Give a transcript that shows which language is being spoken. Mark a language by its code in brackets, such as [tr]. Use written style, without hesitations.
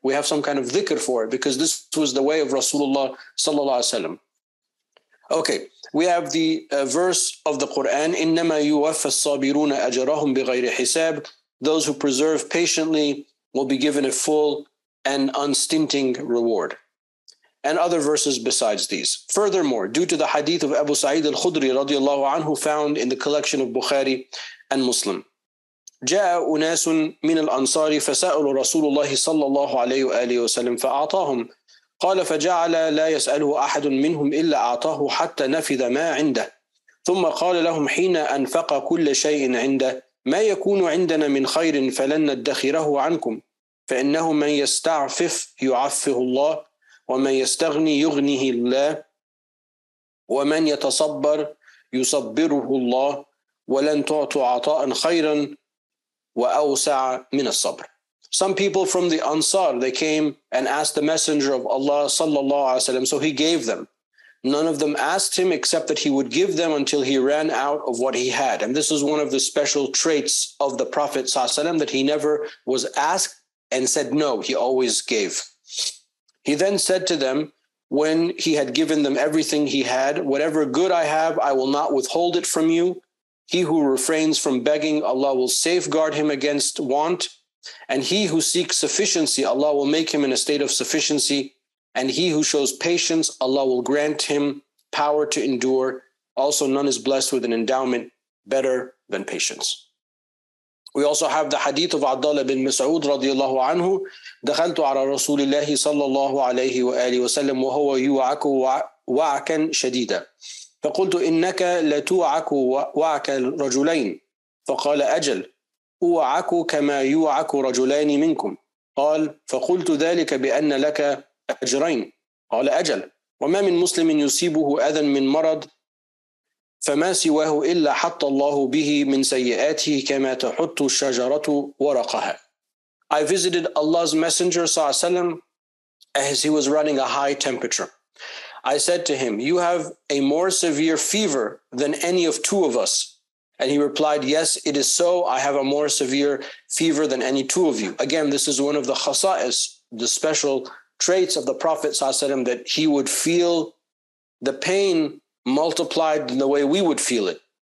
[en] We have some kind of dhikr for it, because this was the way of Rasulullah sallallahu alaihi wasallam. Okay, we have the verse of the Quran, [ar] إِنَّمَا يُوَفَّ الصَّابِرُونَ أَجَرَهُمْ بِغَيْرِ حِسَابٍ. [en] Those who preserve patiently will be given a full and unstinting reward. And other verses besides these. Furthermore, due to the hadith of Abu Sa'id al-Khudri radiallahu anhu found in the collection of Bukhari and Muslim, [ar] جَاءَ أُنَاسٌ مِنَ الْأَنصَارِ فَسَأَلُوا رَسُولُ اللَّهِ صَلَّى اللَّهُ عَلَيْهُ وَآلِهِ وَسَلَّمَ فَأَعْطَاهُمْ قَالَ فَجَعَلَ لَا يَسْأَلُهُ أَحَدٌ مِّنْهُمْ إِلَّا أَعْطَاهُ حَتَّى نَفِذَ مَا عِنْدَهُ ثُمَّ قَالَ لَهُمْ حِينَ أَنْفَقَ كُلَّ شَيْءٍ عِنْدَهُ ما يكون عندنا من خير فلن ندخره عنكم فإنه من يستعفف يعفه الله ومن يستغني يغنيه الله ومن يتصبر يصبره الله ولن تعطوا عطاء خيرا وأوسع من الصبر. [en] Some people from the Ansar, they came and asked the Messenger of Allah sallallahu alaihi wasallam, so he gave them. None of them asked him except that he would give them until he ran out of what he had. And this is one of the special traits of the Prophet sallallahu alaihi wasallam, that he never was asked and said no, he always gave. He then said to them, when he had given them everything he had, whatever good I have, I will not withhold it from you. He who refrains from begging, Allah will safeguard him against want. And he who seeks sufficiency, Allah will make him in a state of sufficiency. And he who shows patience, Allah will grant him power to endure. Also, none is blessed with an endowment better than patience. We also have the hadith of Abdullah bin Mas'ud radiallahu anhu. [ar] دخلت على رسول الله صلى الله عليه وآله وسلم وهو يوعك وعكا شديدا. فقلت إنك لتوعك وعك رجلين. فقال أجل أوعك كما يوعك رجلين منكم. قال فقلت ذلك بأن لك أجرين. قال أجل وما من مسلم يصيبه أذى من مرض فما سواه إلا حط الله به من سيئاته كما تحط الشجرة ورقها. [en] I visited Allah's Messenger [ar] صلى الله عليه وسلم [en] as he was running a high temperature. I said to him, you have a more severe fever than any of two of us. And he replied, yes, it is so. I have a more severe fever than any two of you. Again, this is one of the khasa'is, the special traits of the Prophet ﷺ, that he would feel the pain multiplied in the way we would feel it.